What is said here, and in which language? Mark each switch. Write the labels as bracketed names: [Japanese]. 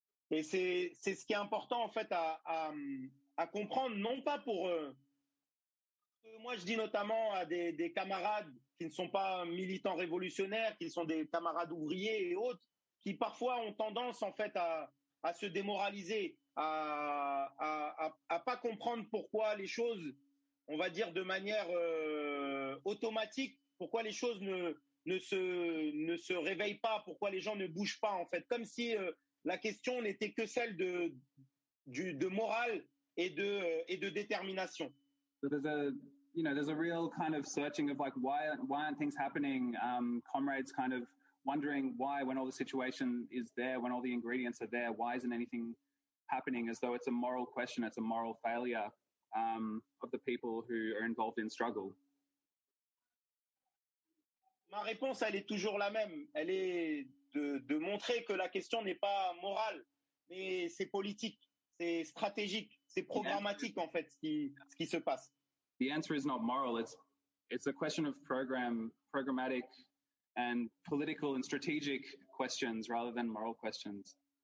[French] Et c'est ce qui est important en fait à comprendre, non pas pour moi je dis notamment à des camarades qui ne sont pas militants révolutionnaires, qui sont des camarades ouvriers et autres, qui parfois ont tendance en fait à se démoraliser, à pas comprendre pourquoi les choses, on va dire de manière automatique, pourquoi les choses ne se réveillent pas, pourquoi les gens ne bougent pas en fait, comme si la question n'était que celle de morale et de détermination. [English] You know, there's a real kind of searching of like why aren't things happening? Comrades kind of wondering why, when all the situation is there, when all the ingredients are there, why isn't anything happening? As though it's a moral question, it's a moral failure of the people who are involved in struggle. [French] Ma réponse, elle est toujours la même. Elle est de montrer que la question n'est pas morale, mais c'est politique, c'est stratégique, c'est programmatique en fait ce qui se passe. [English] The answer is not moral. It's a question of programmatic and political and strategic questions rather than moral questions.